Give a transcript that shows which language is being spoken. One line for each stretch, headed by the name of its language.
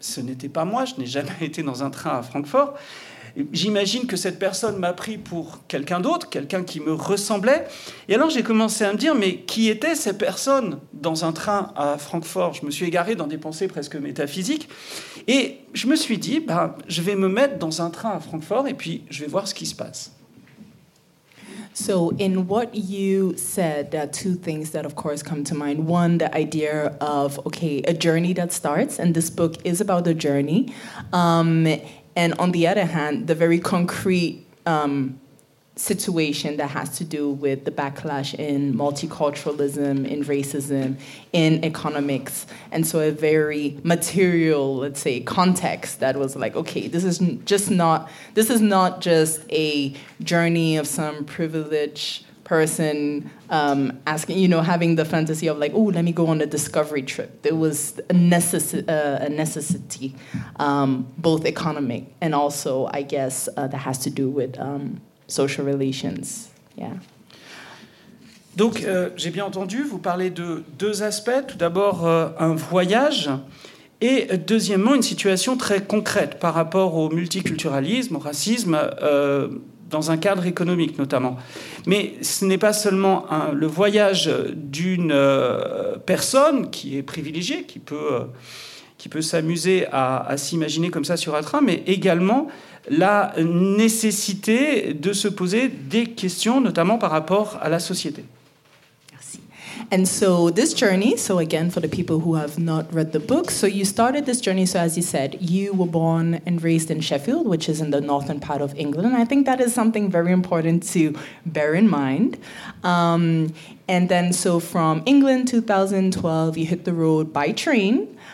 French: Ce n'était pas moi, je n'ai jamais été dans un train à Francfort. J'imagine que cette personne m'a pris pour quelqu'un d'autre, quelqu'un qui me ressemblait. Et alors j'ai commencé à me dire « Mais qui était cette personne dans un train à Francfort ?» Je me suis égaré dans des pensées presque métaphysiques. Et je me suis dit ben, « Je vais me mettre dans un train à Francfort et puis je vais voir ce qui se passe. »
English: So in what you said, there are two things that of course come to mind. One, the idea of, okay, a journey that starts, and this book is about the journey. And on the other hand, the very concrete situation that has to do with the backlash in multiculturalism, in racism, in economics. And so a very material, let's say, context that was like, okay, this is not just a journey of some privileged person asking, you know, having the fantasy of like, oh, let me go on a discovery trip. There was a necessity, both economic and also, I guess, that has to do with social relations. Yeah.
French: Donc, j'ai bien entendu, vous parlez de deux aspects. Tout d'abord, un voyage. Et deuxièmement, une situation très concrète par rapport au multiculturalisme, au racisme, dans un cadre économique notamment. Mais ce n'est pas seulement le voyage d'une personne qui est privilégiée, qui peut s'amuser à s'imaginer comme ça sur un train, mais également la nécessité de se poser des questions, notamment par rapport à la société.
English: And so this journey, so again, for the people who have not read the book, so you started this journey, so as you said, you were born and raised in Sheffield, which is in the northern part of England, and I think that is something very important to bear in mind. And then so from England, 2012, you hit the road by train.